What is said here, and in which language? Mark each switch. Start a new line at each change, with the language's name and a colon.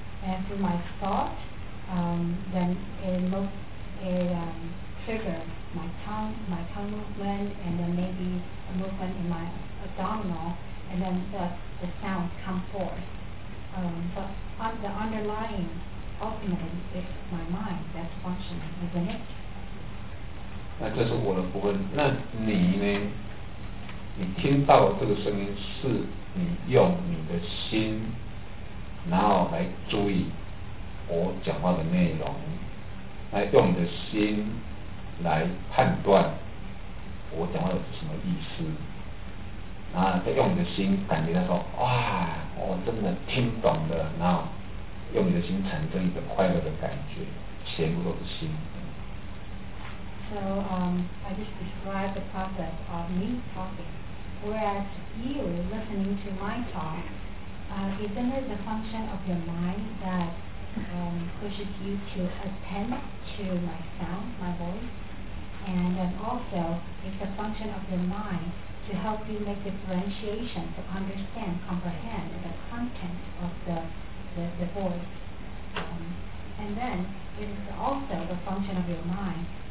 English: And through my thought, then it triggers my tongue movement, and then maybe a movement in my abdominal, and then the sound comes forth. But the underlying, ultimately, is my mind that's functioning, isn't it?
Chinese: 那这是我的部分。那你呢？你听到这个声音，是你用你的心，然后来注意我讲话的内容，来用你的心来判断我讲话的是什么意思，然后再用你的心感觉到说，哇，我真的听懂了，然后用你的心产生一个快乐的感觉，全部都是心。
English: So I just described the process of me talking, whereas you listening to my talk, isn't it the function of your mind that pushes you to attend to my sound, my voice, and then also it's the function of your mind to help you make differentiation to understand, comprehend the content of the voice, and then it is also the function of your mind.